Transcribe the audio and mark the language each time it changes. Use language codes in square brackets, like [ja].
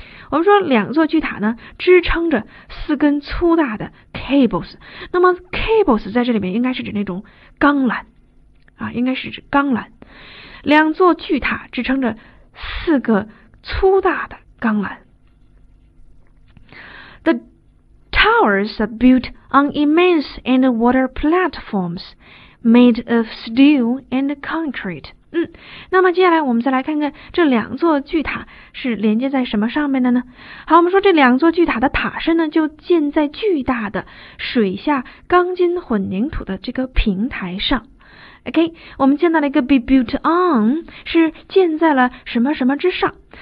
[zh] 我们说两座巨塔呢，支撑着四根粗大的 cables。那么 cables 在这里面应该是指那种钢缆啊，应该是指钢缆。两座巨塔支撑着四个粗大的钢缆。 [en] The towers are built on immense underwater platforms made of steel and concrete. [zh] 那么接下来我们再来看看这两座巨塔是连接在什么上面的呢？好，我们说这两座巨塔的塔身呢就建在巨大的水下钢筋混凝土的这个平台上。 OK, 我们见到了一个 [en] be built on, [zh] 是建在了什么什么之上。